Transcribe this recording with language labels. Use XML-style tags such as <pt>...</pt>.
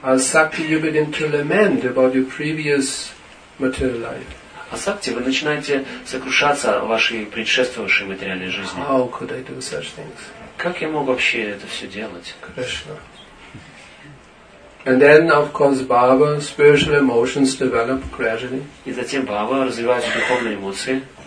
<en>Asakti, you begin to lament about your previous material life.</en> <ru>Asakti, вы начинаете сокрушаться о вашей предшествовавшей материальной жизни.</ru> <en>How could I do such things?</en> <ru>Как я мог вообще это все делать?</ru> <en>Krishna. And then, of course, bhava, spiritual emotions develop gradually.</en> <ru>И затем бхава развивается духовные эмоции.</ru>